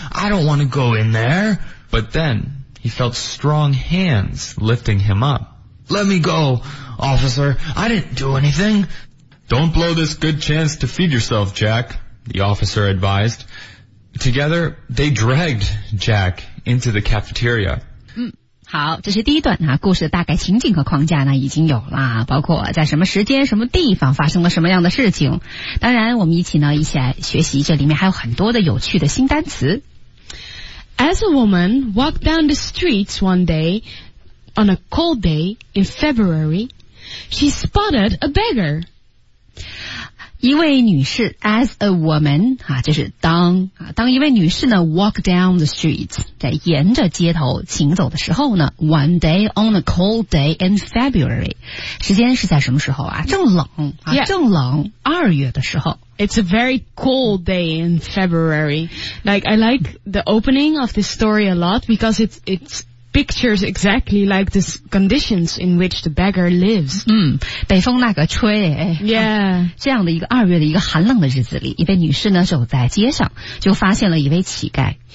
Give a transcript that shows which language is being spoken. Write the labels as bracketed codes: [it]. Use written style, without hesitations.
[en] I don't want to go in there. But then, he felt strong hands lifting him up. Let me go, officer. I didn't do anything. Don't blow this good chance to feed yourself, Jack, the officer advised. Together, they dragged Jack into the cafeteria. [zh] 好，这是第一段啊，故事的大概情景和框架呢已经有了，包括在什么时间什么地方发生了什么样的事情。当然我们一起呢一起来学习，这里面还有很多的有趣的新单词。 [en] As a woman walked down the streets one day, on a cold day in February, she spotted a beggar. [zh] 一位女士 [en] as a woman, [zh] 啊就是当啊当一位女士呢 [en] walk down the street, [zh] 在沿着街头行走的时候呢 [en] one day on a cold day in February, [zh] 时间是在什么时候啊正冷啊、 [en] yeah. [zh] 正冷二月的时候。 [en] It's a very cold day in February. Like, I like the opening of this story a lot because it's pictures exactly like the conditions in which the beggar lives. [zh] 嗯，北风那个吹，哎 [en] ，Yeah， [zh] 这样的一个二月的一个寒冷的日子里，一位女士呢走在街上，就发现了一位乞丐。